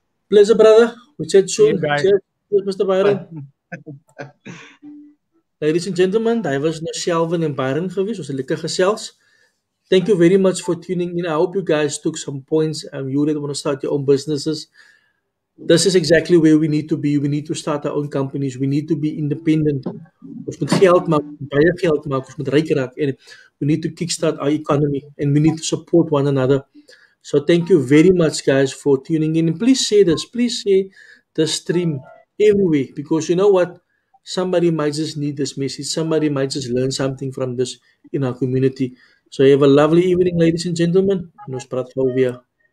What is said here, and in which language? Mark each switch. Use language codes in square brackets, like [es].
[en] Pleasure, brother. We'll chat soon. Cheers, Mr. Byron. [af] Ladies and gentlemen, daar was nou Selwyn en Byron gewees. Ons het lekker gesels. [en] Thank you very much for tuning in. I hope you guys took some points. You really want to start your own businesses. This is exactly where we need to be. We need to start our own companies. We need to be independent. [af] Ons moet geld maak, baie geld maak, ons moet ryk raak. [en] And we need to kickstart our economy and we need to support one another. So thank you very much, guys, for tuning in. And please share this. Please share the stream everywhere, because you know what? Somebody might just need this message. Somebody might just learn something from this in our community. So have a lovely evening, ladies and gentlemen. [af] Nos praat gou weer.